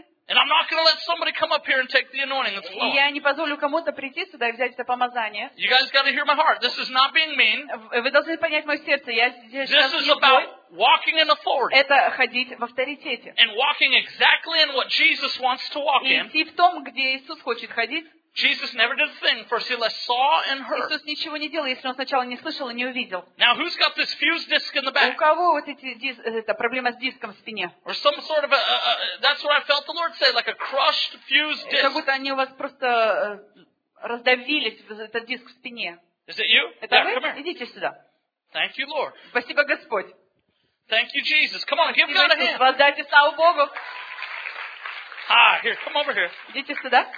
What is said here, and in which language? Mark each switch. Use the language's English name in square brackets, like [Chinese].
[English] And I'm not going to let somebody come up here and take the anointing that's flowing. You guys got to hear my heart. This is not being mean. This is about walking in authority. And walking exactly in what Jesus wants to walk in. [Russian] Идти в том, где Иисус хочет ходить. [English] Jesus never did a thing first unless he saw and heard. [Russian] Иисус ничего не делал, если он сначала не слышал и не увидел. [English] Now who's got this fused disc in the back? [Russian] У кого вот эта проблема с диском в спине? [English] Or some sort of that's what I felt the Lord say, like a crushed fused disc. [Russian] Как будто они у вас просто раздавились этот диск в спине. [English] Is it you? [Russian] Это вы? [English] Come here. [Russian] Идите сюда. [English] Thank you, Lord. [Russian] Спасибо, Господь. [English] Thank you, Jesus. Come on, give God a hand. [Russian] Воздайте славу Богу. [English] Ah, here, come over here. [Russian] Идите сюда.